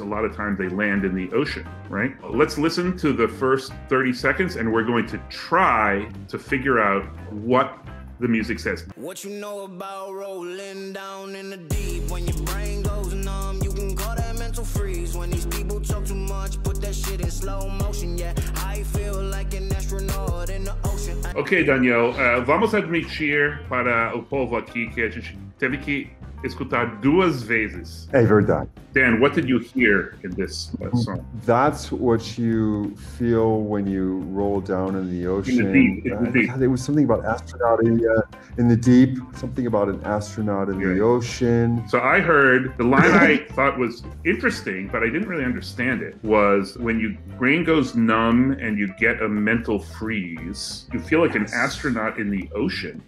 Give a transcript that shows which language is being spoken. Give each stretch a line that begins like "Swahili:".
English: A lot of times they land in the ocean, right? Let's listen to the first 30 seconds and we're going to try to figure out what the music says. What you know about rolling down in the deep? When your brain goes numb, you can call that mental freeze. When these people talk too much, put that shit in slow motion. Yeah, I feel like an astronaut in the ocean.
Portuguese: Okay, Daniel, vamos admitir para o povo aqui que a gente teve que escutar duas vezes. É verdade.
English: Dan, what did you hear in this song? That's what you feel when you roll down in the ocean. In the deep. There was something about astronaut in the deep. Something about an astronaut in the ocean. So I heard, the line I thought was interesting, but I didn't really understand it, was when your brain goes numb and you get a mental freeze, you feel like an astronaut in the ocean.